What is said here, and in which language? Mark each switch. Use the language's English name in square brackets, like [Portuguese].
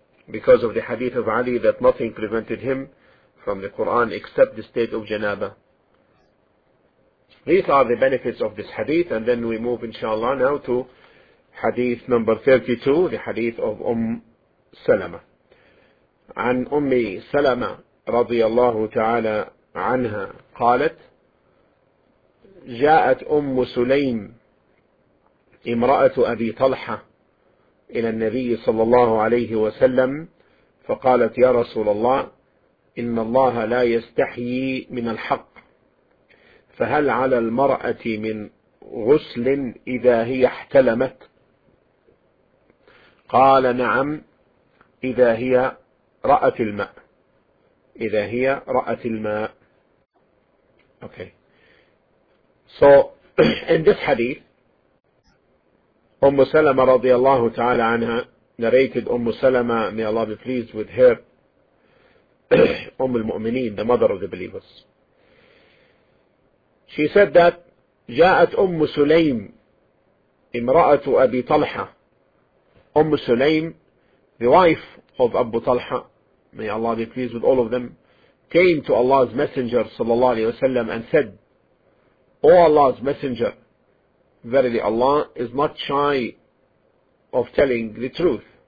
[English] Because of the hadith of Ali that nothing prevented him from the Quran except the state of janabah. These are the benefits of this hadith, and then we move inshallah now to hadith number 32, the hadith of Salama. [Arabic] عن أمي سلمة رضي الله تعالى عنها قالت جاءت أم سليم امرأة أبي طلحة إلى النبي صلى الله عليه وسلم فقالت يا رسول الله إن الله لا يستحيي من الحق فهل على المرأة من غسل إذا هي احتلمت قال نعم إذا هي رأت الماء. إذا هي رأت الماء. Okay. [English] So, in this hadith, Umm Salama radiallahu ta'ala anha narrated Umm Salama, may Allah be pleased with her, Umm al-Mu'mineen, the mother of the believers. She said that, [Arabic] جاءت أم سليم امرأة أبي طلحة. [English] Umm Sulaym, the wife of Abu Talha, may Allah be pleased with all of them, came to Allah's Messenger sallallahu alayhi wa sallam and said, O Allah's Messenger, verily Allah is not shy of telling the truth.